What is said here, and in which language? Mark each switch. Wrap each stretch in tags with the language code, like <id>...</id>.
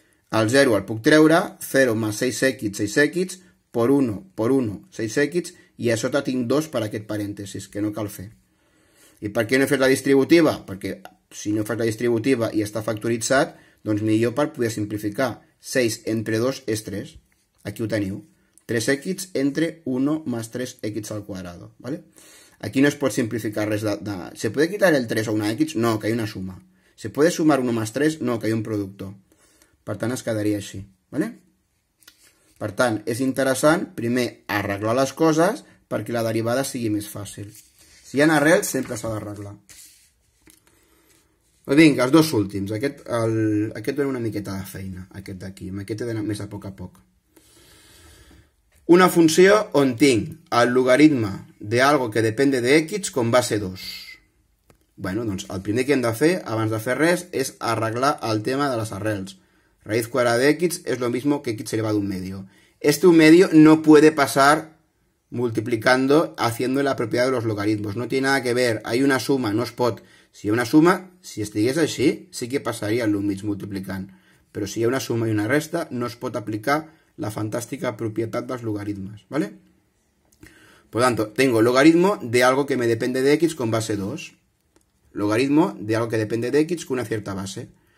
<ca>El 0 el puc treure, 0 més 6x, 6x, per 1, 6x, i a sota tinc 2 per aquest parèntesis, que no cal fer. I per què no he fet la distributiva? Perquè si no fas la distributiva i està factoritzat, doncs millor per poder simplificar. 6 entre 2 és 3. Aquí ho teniu.</ca> <es>3x entre 1 más 3x al cuadrado, ¿vale?</es> <ca>Aquí no es pot simplificar res de...</ca> <es>¿Se puede quitar el 3 o una x? No, que hay una suma. ¿Se puede sumar 1 más 3? No, que hay un producto.</es> <ca>Per tant, es quedaria així, ¿vale? Per tant, és interessant, primer, arreglar les coses perquè la derivada sigui més fàcil. Si hi ha arrels, sempre s'ha d'arreglar. Vinga, els dos últims. Aquest dona una miqueta de feina, aquest d'aquí. Amb aquest he d'anar més a poc. Una funció on tinc el logaritme d'</ca> <es>algo que depende</es> <ca>d'x com base 2. Bueno, doncs el primer que hem de fer, abans de fer res, és arreglar el tema de les arrels.</ca> <es>Raíz quadrada d'x és lo mismo que x elevado a un medio. Este un medio no puede pasar multiplicando, haciendo la propiedad de los logaritmos. No tiene nada que ver, hay una suma,</es> <ca>no es pot. Si hi ha una suma, si estigués així, sí que passaria l'1 mig multiplicant. Però si hi ha una suma i una resta, no es pot aplicar la fantàstica propietat dels logaritmes, ¿vale?</ca> <es>Por tanto, tengo logaritmo de algo que me depende de x con base 2. Logaritmo de algo que depende de x con una cierta base.</es>